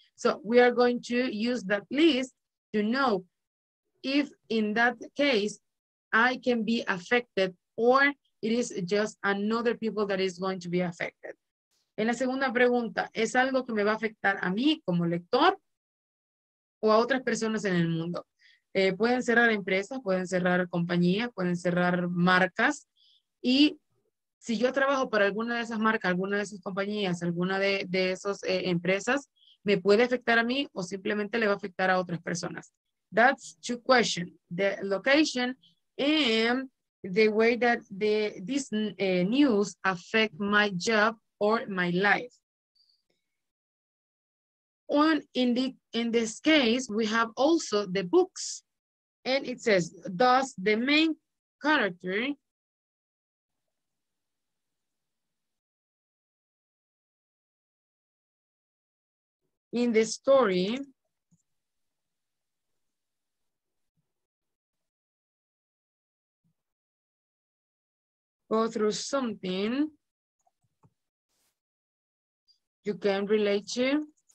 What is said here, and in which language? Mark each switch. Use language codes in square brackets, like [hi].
[en] So we are going to use that list to know if in that case, I can be affected or it is just another people that is going to be affected. [es] En la segunda pregunta, ¿es algo que me va a afectar a mí como lector o a otras personas en el mundo? Pueden cerrar empresas, pueden cerrar compañías, pueden cerrar marcas. Y si yo trabajo para alguna de esas marcas, alguna de esas compañías, alguna de esas empresas, ¿me puede afectar a mí o simplemente le va a afectar a otras personas? [en] That's two questions, the location and the way that this news affect my job or my life. On in this case, we have also the books, and it says, does the main character in the story go through something you can relate to?